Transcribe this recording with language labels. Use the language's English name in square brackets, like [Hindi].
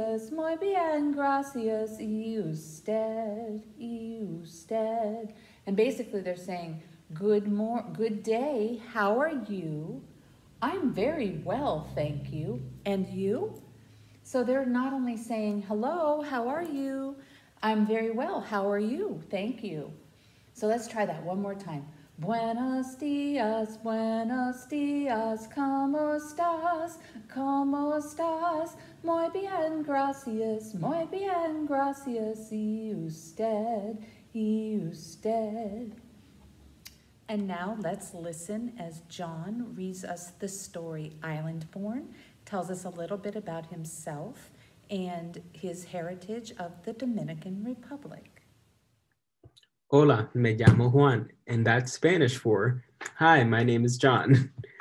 [Spanish] Muy bien, gracias, y usted, [English] And basically they're saying, good day, how are you? I'm very well, thank you. And you? So they're not only saying, hello, how are you? I'm very well, how are you? Thank you. So let's try that one more time. [Spanish] Buenos dias, como estás, muy bien, gracias, y usted. [English] And now let's listen as John reads us the story, Island Born, tells us a little bit about himself and his heritage of the Dominican Republic. [Spanish] Hola, me llamo Juan, [English] and that's Spanish for, hi, my name is John.